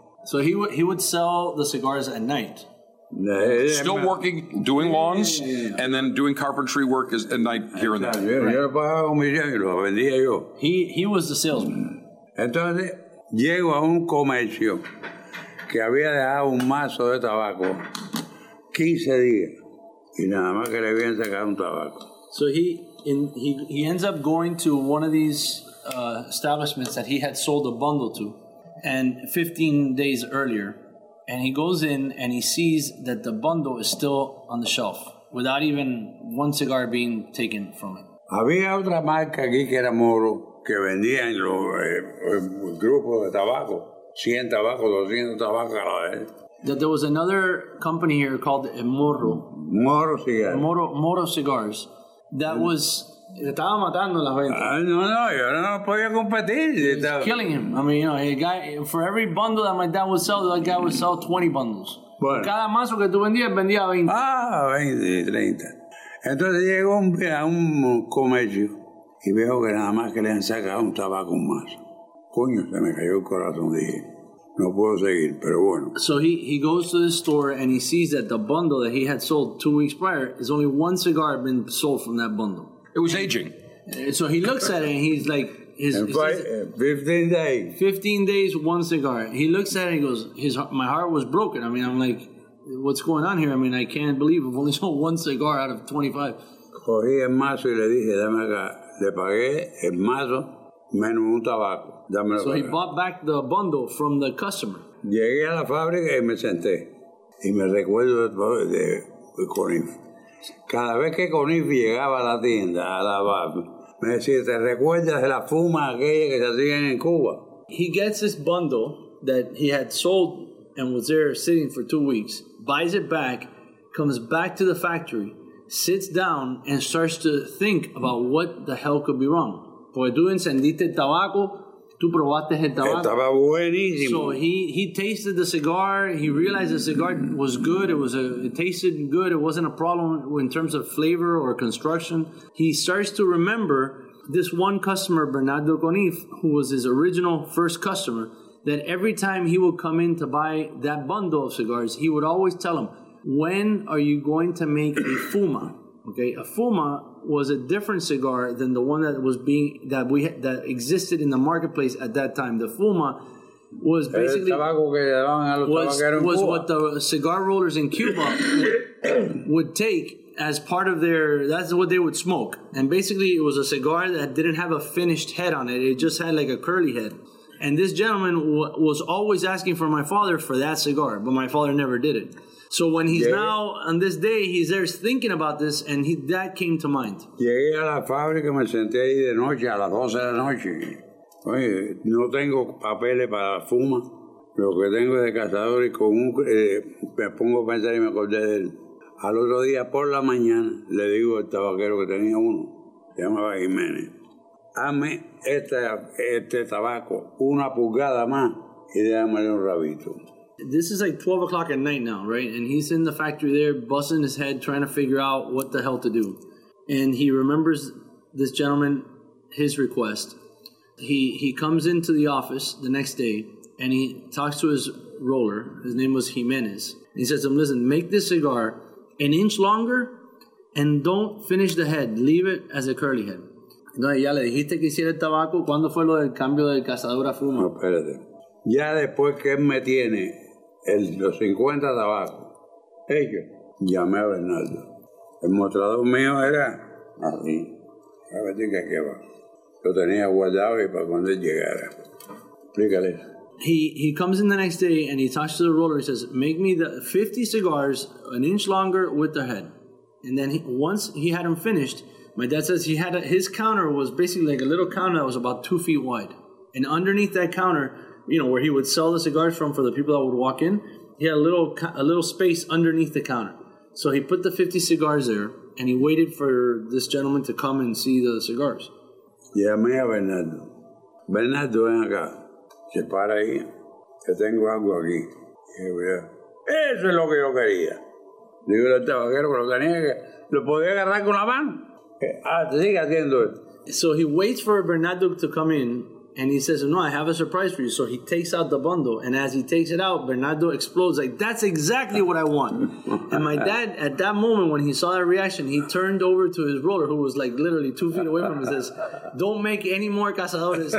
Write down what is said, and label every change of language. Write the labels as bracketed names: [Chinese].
[English] So he would sell the cigars at night. Still working, doing lawns, and then doing carpentry work at night here and there. He was the salesman. [Spanish] Entonces, llego a un comercio que había dejado un mazo de tabaco 15 días, y nada más que le habían sacado un tabaco. [English] So he ends up going to one of these establishments that he had sold a bundle to, and 15 days earlier. And he goes in and he sees that the bundle is still on the shelf without even one cigar being taken from it. [Spanish] Había otra marca aquí que era Moro que vendía en los grupos de tabaco. 100 tabacos, 200 tabacos a la vez. [English] That there was another company here called Moro. Moro Cigars. Moro Cigars. That was... [Spanish] Estaba matando las ventas. No, yo no podía competir. [English] He was killing him. I mean, you know, for every bundle that my dad would sell, that guy would sell 20 bundles. [Spanish] Bueno. Cada mazo que tú vendías, vendía 20. Ah, 20, 30. Entonces llego a un comercio y veo que nada más que le han sacado un tabaco más. Coño, se me cayó el corazón, dije. No puedo seguir, pero bueno. [English] So he goes to the store and he sees that the bundle that he had sold 2 weeks prior is only one cigar been sold from that bundle. It was aging. So he looks at it and he's like, says, 15 days. 15 days, one cigar. He looks at it and he goes, my heart was broken. I mean, I'm like, what's going on here? I mean, I can't believe I've only sold one cigar out of 25. [Spanish] Cogí el mazo y le dije, dame acá. Le pagué el mazo menos un tabaco. Dámelo [English] so [Spanish] acá. [English] He bought back the bundle from the customer. [Spanish] Llegué a la fábrica y me senté. Y me recuerdo de Corinth. Cada vez que Conif llegaba a la tienda, a la bar, me decía, ¿te recuerdas de la fuma aquella que se hacía en Cuba? [English] He gets this bundle that he had sold and was there sitting for 2 weeks, buys it back, comes back to the factory, sits down and starts to think about what the hell could be wrong. [Spanish] Porque tú encendiste el tabaco, tú probaste el tabaco. Estaba buenísimo. [English] So he tasted the cigar. He realized the cigar was good. It tasted good. It wasn't a problem in terms of flavor or construction. He starts to remember this one customer, Bernardo Conif, who was his original first customer, that every time he would come in to buy that bundle of cigars, he would always tell him, when are you going to make a fuma? Okay, a fuma was a different cigar than the one that was being that existed in the marketplace at that time. The fuma was basically was what the cigar rollers in Cuba would take as part of their, that's what they would smoke. And basically it was a cigar that didn't have a finished head on it. It just had like a curly head. And this gentleman was always asking for my father for that cigar, but my father never did it. So when he's now on this day, he's there thinking about this, and he, that came to mind. [Spanish] Llegué a la fábrica, me senté ahí de noche a las 12 de la noche. Oye, no tengo papeles para fuma. Lo que tengo de cazador y con un me pongo a pensar y me acordé de él. Al otro día por la mañana le digo al tabaquero que tenía uno, se llamaba Jiménez, hazme este tabaco una pulgada más y déjamele un rabito. [English] This is like 12 o'clock at night now, right? And he's in the factory there, busting his head, trying to figure out what the hell to do. And he remembers this gentleman, his request. He comes into the office the next day, and he talks to his roller. His name was Jimenez. He says to him, listen, make this cigar an inch longer, and don't finish the head. Leave it as a curly head. [Spanish] No, ya le dijiste que hiciera el tabaco. ¿Cuándo fue lo del cambio del cazador a fuma? No, espérate. Ya después que él me tiene los 50 tabacos, ellos, llamé a Bernardo. El mostrador mío era así. A ver si qué va. Lo tenía guardado y para cuando él llegara. Explícale. [English] He comes in the next day and he talks to the roller. He says, make me the 50 cigars an inch longer with the head. And then once he had them finished, my dad says his counter was basically like a little counter that was about 2 feet wide. And underneath that counter, you know, where he would sell the cigars from for the people that would walk in, he had a little space underneath the counter. So he put the 50 cigars there, and he waited for this gentleman to come and see the cigars. [Spanish] Llamé a Bernardo. Bernardo, ven acá. Se para ahí. Yo tengo algo aquí. Eso es lo que yo quería. Digo, el tabaquero que lo tenía, que lo podía agarrar con la mano. Sigue haciendo esto. [English] So he waits for Bernardo to come in, and he says, no, I have a surprise for you. So he takes out the bundle. And as he takes it out, Bernardo explodes. Like, that's exactly what I want. And my dad, at that moment, when he saw that reaction, he turned over to his roller, who was like literally 2 feet away from him, and says, don't make any more cazadores.